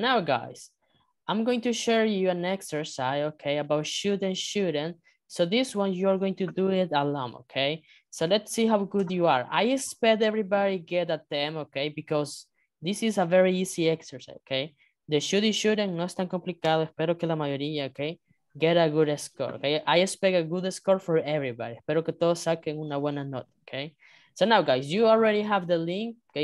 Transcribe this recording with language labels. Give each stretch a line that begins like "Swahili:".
English: Now, guys, I'm going to share you an exercise, okay, about should and shouldn't. So this one, you're going to do it alone, okay? So let's see how good you are. I expect everybody get a 10, okay, because this is a very easy exercise, okay?
Spanish: The should and shouldn't, no es tan complicado. Espero que la mayoría,
English: okay, get a good score, okay? I expect a good score for everybody.
Spanish: Espero que todos saquen una buena nota,
English: okay? So now, guys, you already have the link, okay?